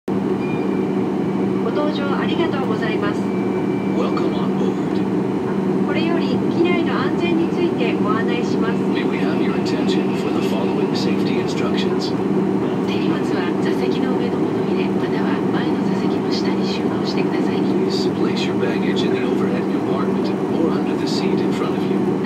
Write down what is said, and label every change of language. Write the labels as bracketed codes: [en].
[ja] 搭乗ありがとうございます。 [en] Welcome on board. [ja] これより機内の安全についてご案内します。 [en] May we have your attention for the following safety instructions. [ja] 手荷物は座席の上のものに入れ、または前の座席の下に収納してください。 [en] Please place your baggage in the overhead compartment or under the seat in front of you.